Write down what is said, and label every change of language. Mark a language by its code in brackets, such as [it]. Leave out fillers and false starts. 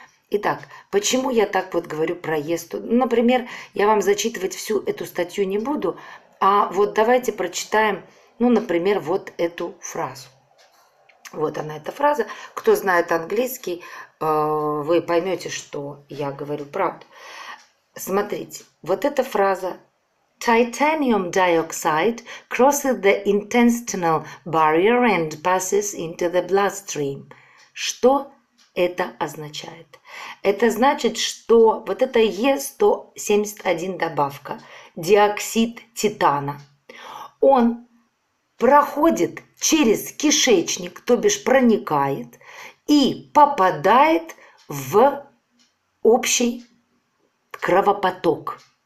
[ru] Итак, почему я так вот говорю про ЕСТу? Например, я вам зачитывать всю эту статью не буду, а вот давайте прочитаем, ну, например, вот эту фразу. Вот она, эта фраза. Кто знает английский, вы поймете, что я говорю правду. Смотрите, вот эта фраза. [en] Titanium dioxide crosses the intestinal barrier and passes into the bloodstream. [ru] Что это означает? Это значит, что вот эта Е171 добавка, диоксид титана, он проходит через кишечник, то бишь проникает, и попадает в общий кровопоток.